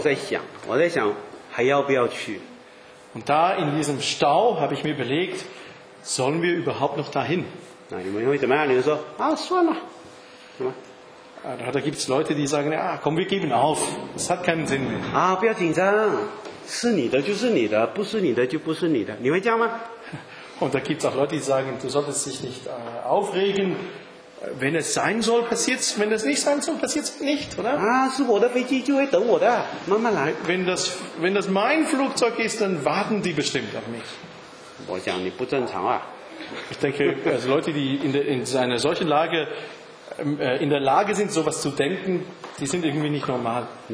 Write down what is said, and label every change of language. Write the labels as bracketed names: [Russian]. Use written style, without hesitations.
[Chinese] 我当时在堵着车，我在想，还要不要去 [German] ？Und da in diesem Stau habe ich mir überlegt, sollen wir überhaupt noch dahin？ [Chinese] 那你们会怎么样？你们说啊，算了，什么 [German] ？Da gibt's Leute, die sagen, ah, komm, wir geben auf. Das hat keinen Sinn mehr. [Chinese] 啊，不要紧张，是你的就是你的，不是你的就不是你的。你会这样吗 [German] ？Und da gibt's auch Leute, die sagen, du solltest dich nicht aufregen. Wenn es sein soll, passiert es. Wenn es nicht sein soll, passiert es nicht, oder? [Chinese] Ah, 是我的飞机就会等我的，慢慢来。 [German] Wenn das mein Flugzeug ist, dann warten die bestimmt auf mich. [Chinese] 我想你不正常啊。 [German] Ich denke, also Leute, die in einer solchen Lage, in der Lage sind, sowas zu denken, die sind irgendwie nicht normal.